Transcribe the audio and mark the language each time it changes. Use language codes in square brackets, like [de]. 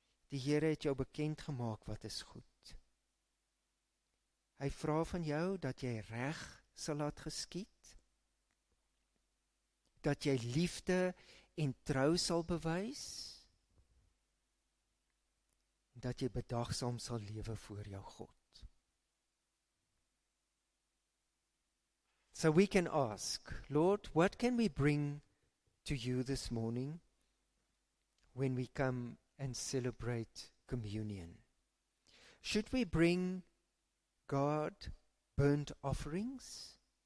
[af] Die Here het jou bekend gemaak wat is goed. Hy vra van jou dat jy reg sal laat geskied, dat jy liefde en trou sal bewys, dat jy bedagsaam sal lewe voor jou God. [en] So we can ask, Lord, what can we bring to you this morning when we come and celebrate communion? Should we bring God, burnt offerings?